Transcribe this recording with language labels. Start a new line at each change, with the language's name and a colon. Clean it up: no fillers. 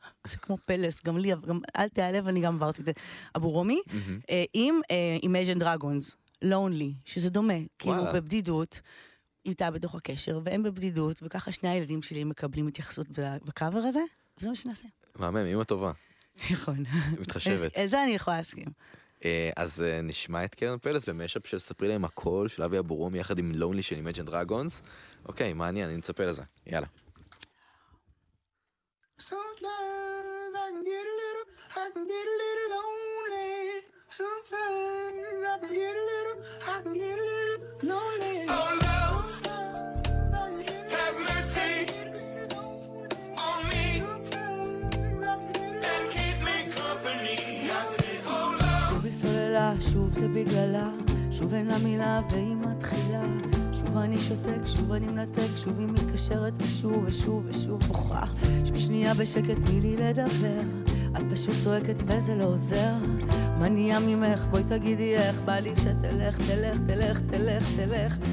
Hebrew: זה כמו פלס, גם לי, אל תיעלב, אני גם עברתי את זה. אבורומי, עם Imagine Dragons, Lonely, שזה דומה, כאילו בבדידות, איתה בתוך הקשר, והם בבדידות, וככה שני הילדים שלי מקבלים התייחסות בקאבר הזה, וזה מה שנעשה. מהמם, אימא טובה. נכון. מתחשבת. אל זה אני יכולה להסכים. אז נשמע את קרן פלס במשאפ של ספרי להם הכל, של אבי אבורומי יחד עם Lonely של Imagine Dragons. אוקיי, מעניין, אני נצפה לזה. יאללה.
English: Sometimes I can get a little, I can get a little lonely. Sometimes I can get a little, I can get a little lonely. So Lord, have mercy on me and keep me company. I said, Oh Lord.
Hebrew: שוב היא סוללה, שוב זה בגללה. שוב אין לה מילה והיא מתחילה. שוב אני שותק, שוב אני מנתק, שוב היא מתקשרת ושוב ושוב ושוב בוכה. שבשנייה בשקט מי לי לדבר, את פשוט צועקת וזה לא עוזר. מה נהיה ממך, בואי תגידי איך, בא לי שתלך, תלך, תלך, תלך, תלך.